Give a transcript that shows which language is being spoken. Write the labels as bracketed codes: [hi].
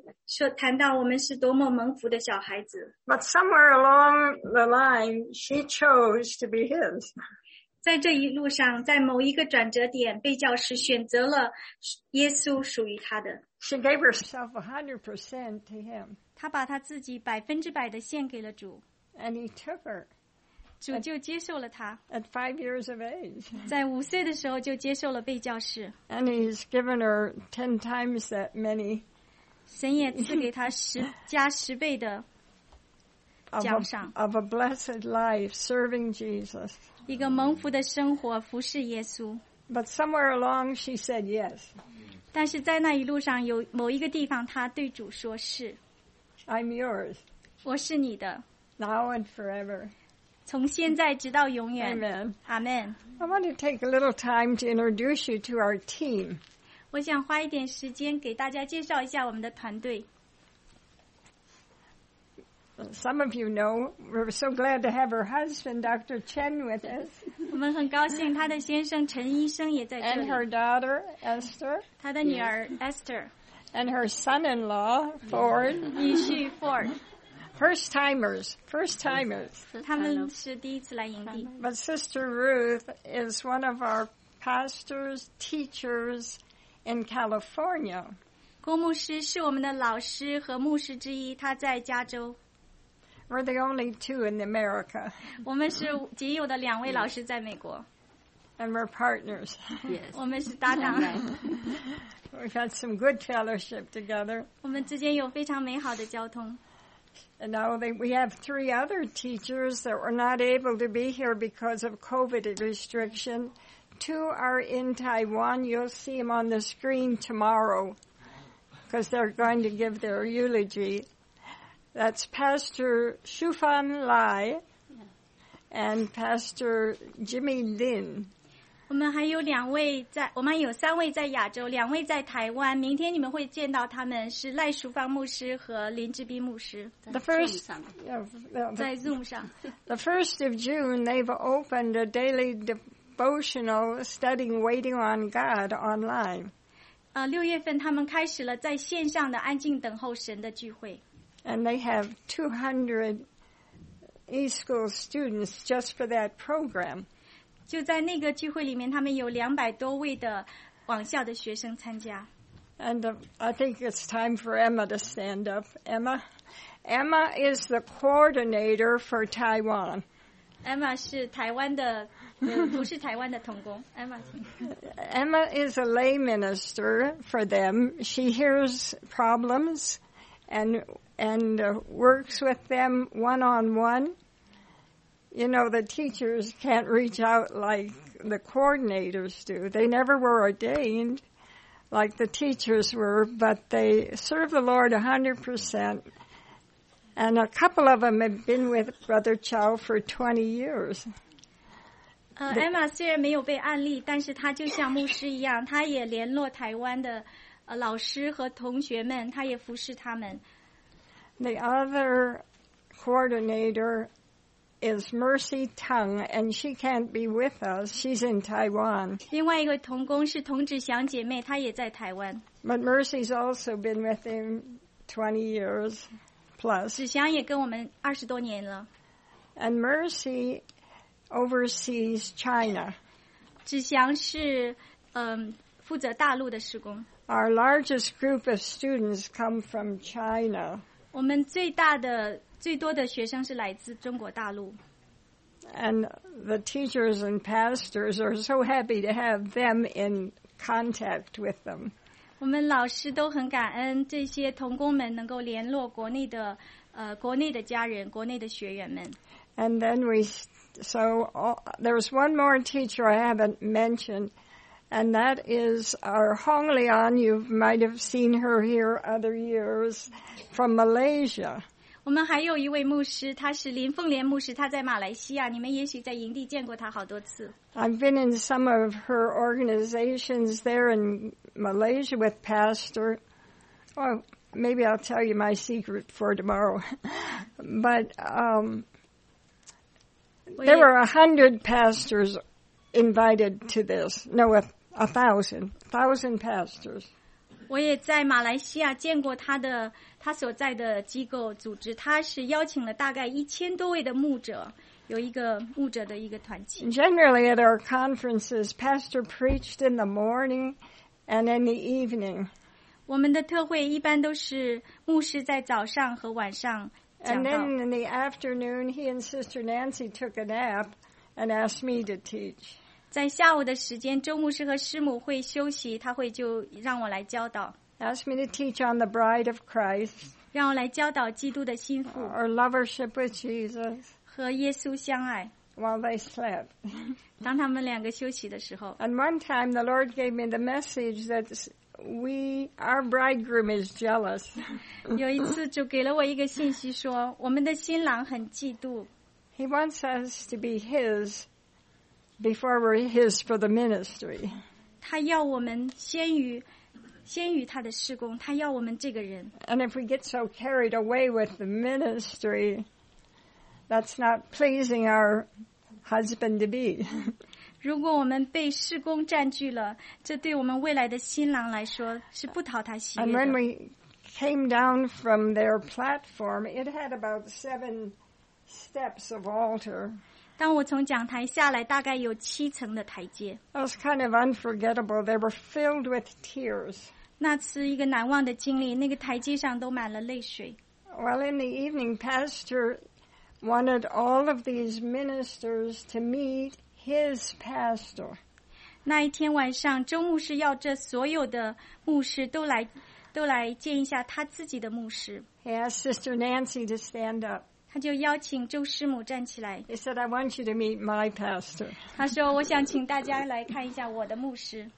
[en] But somewhere along the line, she chose to be his. [zh] 在这一路上，在某一个转折点，被教师选择了耶稣属于他的。 [en] She gave herself 100% to him. [zh] 她把她自己100%的献给了主。 [en] And he took her. [zh] 主就接受了他。 [en] At 5 years of age. [zh] 在五岁的时候就接受了被教士。 [en] And he's given her 10 times that many. [zh] 神也赐给他10倍的奖赏。 [en] Of a blessed life serving Jesus. [zh] 一个蒙福的生活服侍耶稣。 [en] But somewhere along she said yes. [zh] 但是在那一路上有某一个地方他对主说是。 [en] I'm yours. [zh] 我是你的。 [en] Now and forever. [zh] 从现在直到永远。 [en] Amen. Amen. I want to take a little time to introduce you to our team. [zh] 我想花一点时间给大家介绍一下我们的团队。 [en] Some of you know, we're so glad to have her husband, Dr. Chen, with us. [zh] 我们很高兴她的先生陈医生也在这里。 [en] And her daughter, Esther. [zh] 她的女儿 Esther. [en] And her son-in-law, Ford. [zh] 女婿 Ford. [en] First timers. [zh] 他们是第一次来营地。 [en] But Sister Ruth is one of our pastors, teachers in California. [zh] 郭牧师是我们的老师和牧师之一，他在加州。 [en] We're the only two in America. [zh] 我们是仅有的两位老师在美国。 [en] And we're partners. Yes. [zh] 我们是搭档。 [en] We've had some good fellowship together. [zh] 我们之间有非常美好的交通。 [en] And now we have three other teachers that were not able to be here because of COVID restriction. Two are in Taiwan. You'll see them on the screen tomorrow because they're going to give their eulogy. That's Pastor Shufan Lai and Pastor Jimmy Lin. [zh] 我们还有两位在，我们还有三位在亚洲，两位在台湾。明天你们会见到他们，是赖淑芳牧师和林志斌牧师。 [en] The first, in Zoom 上。 The first of June, they've opened a daily devotional studying "Waiting on God" online. [zh] 六月份他们开始了在线上的安静等候神的聚会。 [en] And they have 200 e-school students just for that program. [zh] 就在那个聚会里面，他们有200多位的网校的学生参加。 [en] And I think it's time for Emma to stand up. Emma is the coordinator for Taiwan. [zh] Emma 是台湾的，不是台湾的同工。Emma, [en] Emma is a lay minister for them. She hears problems and works with them one-on-one. You know, the teachers can't reach out like the coordinators do. They never were ordained like the teachers were, but they serve the Lord 100%. And a couple of them have been with Brother Chow for 20 years. [zh] Emma 虽然没有被案例，但是她就像牧师一样，她也联络台湾的老师和同学们，她也服侍他们。 [en] The other coordinator... is Mercy Tung, and she can't be with us. She's in Taiwan. [zh] 另外一个同工是童芷翔姐妹，她也在台湾。 [en] But Mercy's also been with him 20 years plus. [zh] 芷翔也跟我们20多年了。 [en] And Mercy oversees China. [zh] 芷翔是负责大陆的施工。 [en] Our largest group of students come from China. [zh] 我们最大的最多的学生是来自中国大陆。 [en] And the teachers and pastors are so happy to have them in contact with them. [zh] 我们老师都很感恩这些同工们能够联络国内的国内的家人，国内的学员们。 [en] And then there's one more teacher I haven't mentioned, and that is our Hong Leon. You might have seen her here other years from Malaysia. [zh] 我们还有一位牧师，他是林凤莲牧师，他在马来西亚。你们也许在营地见过他好多次。 [en] I've been in some of her organizations there in Malaysia with Pastor. Well, maybe I'll tell you my secret for tomorrow. But there were 100 pastors invited to this. No, 1,000 pastors. [zh] 我也在马来西亚见过他的他所在的机构组织，他是邀请了大概1000多位的牧者，有一个牧者的一个团契。 [en] Generally at our conferences, Pastor preached in the morning and in the evening. [zh] 我们的特会一般都是牧师在早上和晚上讲道。 [en] And then in the afternoon, he and Sister Nancy took a nap and asked me to teach. [zh] 在下午的时间，周牧师和师母会休息，他会就让我来教导。 [en] Ask me to teach on the Bride of Christ. [zh] 让我来教导基督的心腹。 [en] Or lovership with Jesus. [zh] 和耶稣相爱。 [en] While they slept. [zh] 当他们两个休息的时候。 [en] And one time the Lord gave me the message that our bridegroom is jealous. [zh] 有一次就给了我一个信息说，我们的新郎很嫉妒。 [en] He wants us to be his. Before we're his for the ministry. [zh] 他要我们先于他的事工，他要我们这个人。 [en] And if we get so carried away with the ministry, that's not pleasing our husband to be. [zh] 如果我们被事工占据了，这对我们未来的新郎来说是不讨他喜悦的。 [en] And when we came down from their platform, it had about 7 steps of altar. [zh] 当我从讲台下来，大概有七层的台阶。 [en] It was kind of unforgettable. They were filled with tears. [zh] 那是一个难忘的经历，那个台阶上都满了泪水。 [en] Well, in the evening, Pastor wanted all of these ministers to meet his pastor. [zh] 那一天晚上，周牧师要这所有的牧师都来见一下他自己的牧师。 [en] He asked Sister Nancy to stand up. [zh] 他就邀请周师母站起来。 [en] He said, "I want you to meet my pastor." [zh] 他说，我想请大家来看一下我的牧师。